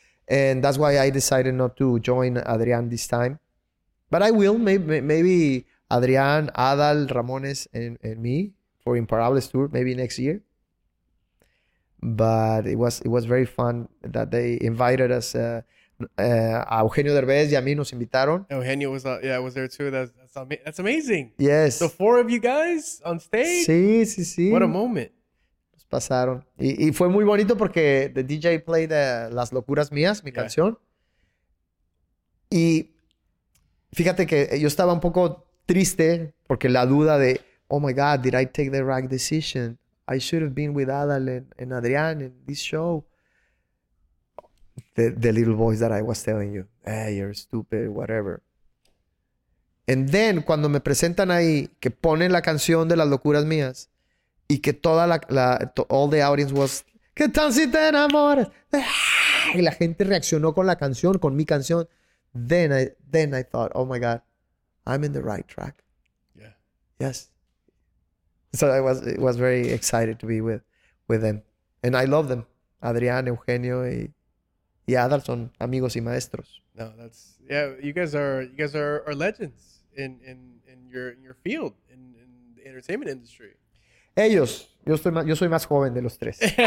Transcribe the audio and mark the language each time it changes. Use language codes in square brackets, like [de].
[en] And that's why I decided not to join Adrián this time. But I will. Maybe Adrián, Adal, Ramones, and me for Imparables Tour, maybe next year. But it was very fun that they invited us. [es] A Eugenio Derbez y a mí nos invitaron. [en] Eugenio was there too. That's amazing. Yes. The four of you guys on stage. [es] Sí, sí, sí. [en] What a moment. [es] Nos pasaron. Y fue muy bonito porque [en] the DJ played [es] Las Locuras Mías, mi canción. Y fíjate que yo estaba un poco triste porque la duda de, [en] oh my God, did I take the right decision? I should have been with Adal and Adrián in this show. The little voice that I was telling you, hey, you're stupid, whatever. And then, [es] cuando me presentan ahí, que ponen la canción de las locuras mías, y que toda [en] all the audience was, [es] ¿qué tal si te enamoras? Y la gente reaccionó con la canción, con mi canción. [en] Then I thought, oh my God, I'm in the right track. Yeah. Yes. So it was very excited to be with them. And I love them. [es] Adrián, Eugenio, y Adal son amigos y maestros. [en] No, that's, yeah, you guys are legends in your field, in the entertainment industry. [es] Ellos, yo soy más joven de los tres.